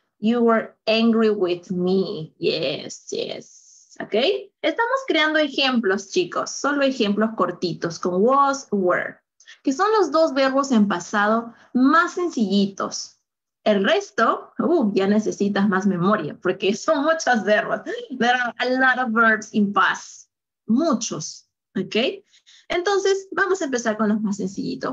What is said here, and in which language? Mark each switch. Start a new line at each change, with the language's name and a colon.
English: You were angry with me. Yes. ¿Ok?
Spanish: Estamos creando ejemplos, chicos. Solo ejemplos cortitos con was, were. Que son los dos verbos en pasado más sencillitos. El resto, ya necesitas más memoria porque son muchos verbos.
English: There are a lot of verbs in past.
Spanish: Muchos. ¿Ok? Entonces, vamos a empezar con los más sencillitos.